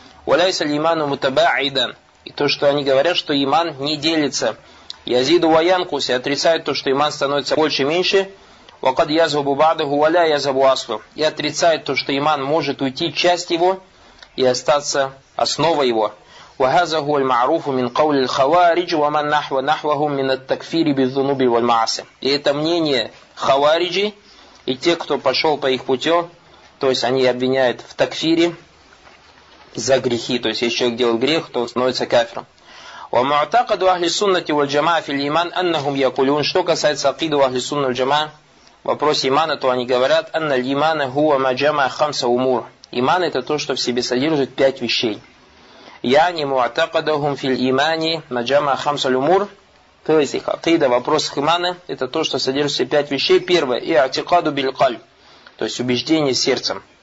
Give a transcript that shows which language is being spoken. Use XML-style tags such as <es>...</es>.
<ar>Валяйса лиману мутабаидан.</ar> <ru>И то, что они говорят, что иман не делится.</ru> <ar>Язиду ваянкус,</ar> <ru>и отрицают то, что иман становится больше и меньше.</ru> <ar>Вакад язабу бадаху, валя язабу аслу.</ar> <ru>И отрицают то, что иман может уйти часть его и остаться основой его.</ru> <ar>وهذا هو المعروف من قول الخوارج ومن نحو نحوهم من التكفير بالذنوب والمعاصي.</ar> <ru>И это мнение хавариджи и тех, кто пошел по их пути, то есть они обвиняют в такфире за грехи, то есть если человек делает грех, то он становится кафиром.</ru> <ar>ومعتقد اهل السنه والجماعه في الايمان انهم يقولون,</ar> <ru>что касается акиды</ru> <ar>اهل السنه والجماعه,</ar> <ru>вопрос имана, то они говорят,</ru> <ar>ان الايمان هو ما جمع خمس امور.</ar> <ru>Иман это то, что в себе содержит пять вещей.</ru> <ar>Яни муатакадахум филь имани маджама хамсаль умур.</ar> <ru>То есть их акида, вопрос имана, это то, что содержится пять вещей. Первое, и</ru> <ar>атикаду биль каль,</ar> <ru>то есть убеждение сердцем.</ru>